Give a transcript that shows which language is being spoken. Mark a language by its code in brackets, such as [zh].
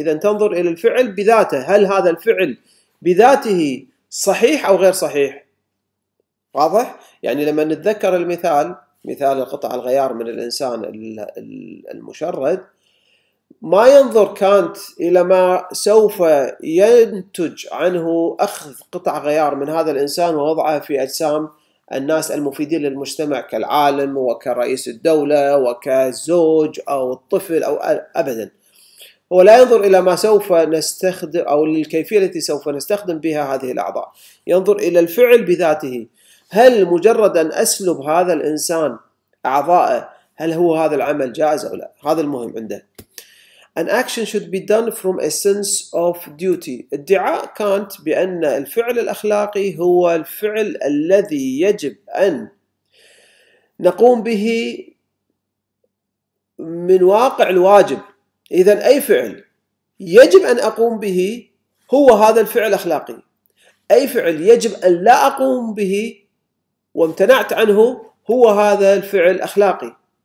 [ar] إذا تنظر إلى الفعل بذاته، هل هذا الفعل بذاته صحيح أو غير صحيح؟ واضح؟ يعني لما نتذكر المثال، مثال القطع الغيار من الإنسان المشرد، ما ينظر كانت إلى ما سوف ينتج عنه أخذ قطع غيار من هذا الإنسان ووضعه في أجسام الناس المفيدين للمجتمع كالعالم وكرئيس الدولة وكزوج أو الطفل أو أبدا. هو لا ينظر إلى ما سوف نستخدم أو الكيفية التي سوف نستخدم بها هذه الأعضاء، ينظر إلى الفعل بذاته. هل مجرد أن أسلب هذا الإنسان أعضاءه، هل هو هذا العمل جائز أو لا؟ هذا المهم عنده. [en] An action should be done from a sense of duty. [ar] ادعاء كانت بأن الفعل الأخلاقي هو الفعل الذي يجب أن نقوم به من واقع الواجب. إذن أي فعل يجب أن أقوم به هو هذا الفعل الأخلاقي، أي فعل يجب أن لا أقوم به وامتنعت عنه هو هذا الفعل الأخلاقي.